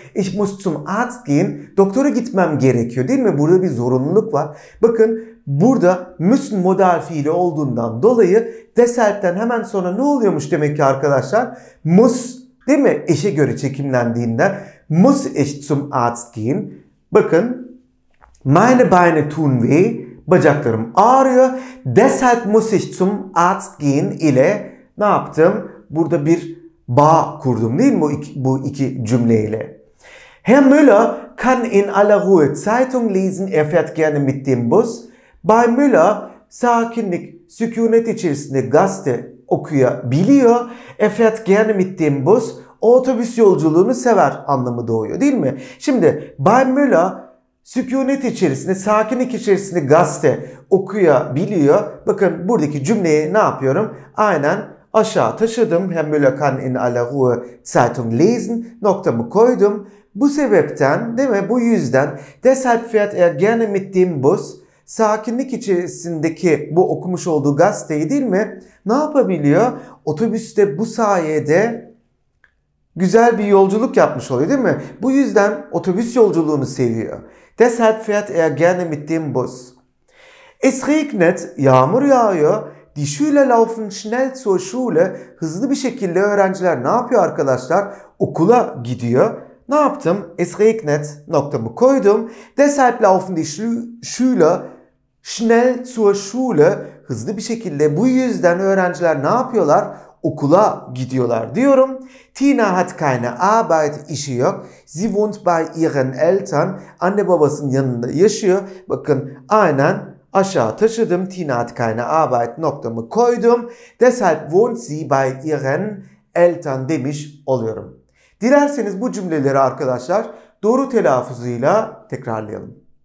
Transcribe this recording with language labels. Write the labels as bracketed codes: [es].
[de] Ich muss zum Arzt gehen. [tr] Doktora gitmem gerekiyor değil mi? Burada bir zorunluluk var. Bakın burada müssen modal fiili olduğundan dolayı deshalb'den hemen sonra ne oluyormuş demek ki arkadaşlar? [de] Muss [tr] değil mi? Eşe göre çekimlendiğinden [de] muss ich zum Arzt gehen. [tr] Bakın [de] meine Beine tun weh. [tr] Bacaklarım ağrıyor. [de] Deshalb muss ich zum Arzt gehen [tr] ile ne yaptım? Burada bir bağ kurdum değil mi bu iki cümleyle? [de] Herr Müller kann in aller Ruhe Zeitung lesen. Er fährt gerne mit dem Bus. Bei Müller [tr] sakinlik, sükunet içerisinde gazete okuyabiliyor. [de] Efrat gerne mit dem Bus, [tr] o otobüs yolculuğunu sever anlamı doğuyor değil mi? Şimdi Bayan Müller sükunet içerisinde, sakinlik içerisinde gazete okuyabiliyor. Bakın buradaki cümleyi ne yapıyorum? Aynen aşağı taşıdım. [de] Hem Müller kann in aller Ruhe Zeitung lesen [tr] noktamı koydum. Bu sebepten değil mi? Bu yüzden [de] deshalb fährt er gerne mit dem Bus. [tr] Sakinlik içerisindeki bu okumuş olduğu gazeteyi değil mi? Ne yapabiliyor? Otobüste bu sayede güzel bir yolculuk yapmış oluyor değil mi? Bu yüzden otobüs yolculuğunu seviyor. [de] Deshalb fährt er gerne mit dem Bus. Es regnet, [tr] yağmur yağıyor. [de] Die Schüler laufen schnell zur Schule. [tr] Hızlı bir şekilde öğrenciler ne yapıyor arkadaşlar? Okula gidiyor. Ne yaptım? [de] Es regnet [tr] noktamı koydum. [de] Deshalb laufen die Schüler schnell zur Schule. [tr] Hızlı bir şekilde bu yüzden öğrenciler ne yapıyorlar? Okula gidiyorlar diyorum. [de] Tina hat keine Arbeit, [tr] işi yok. [de] Sie wohnt bei ihren Eltern. [tr] Anne babasının yanında yaşıyor. Bakın aynen aşağı taşıdım. [de] Tina hat keine Arbeit [tr] noktamı koydum. [de] Deshalb wohnt sie bei ihren Eltern [tr] demiş oluyorum. Dilerseniz bu cümleleri arkadaşlar doğru telaffuzuyla tekrarlayalım.